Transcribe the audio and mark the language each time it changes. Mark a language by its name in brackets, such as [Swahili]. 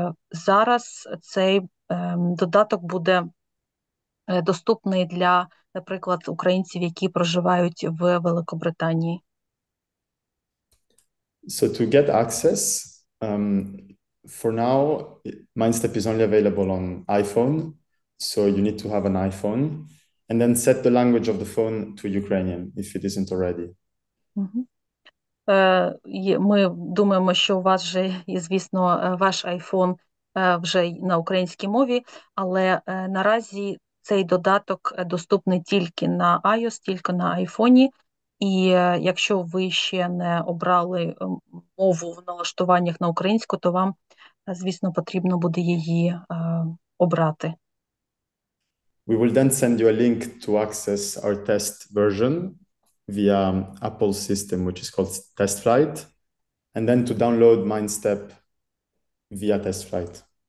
[Ukrainian] Зараз цей додаток буде доступний для, наприклад, українців, які проживають в Великобританії. [English] So to get access, for now, MindStep is only available on iPhone, so you need to have an iPhone, and then set the language of the phone to Ukrainian, if it isn't already. Mm-hmm. [Ukrainian] Ми думаємо, що у вас вже, звісно, ваш iPhone вже на українській мові, але наразі цей додаток доступний тільки на iOS, тільки на iPhone. І якщо ви ще не обрали мову в налаштуваннях на українську, то вам, звісно, потрібно буде її обрати. [English] We will then send you a link to access our test version via Apple system, which is called TestFlight, and then to download MindStep via TestFlight.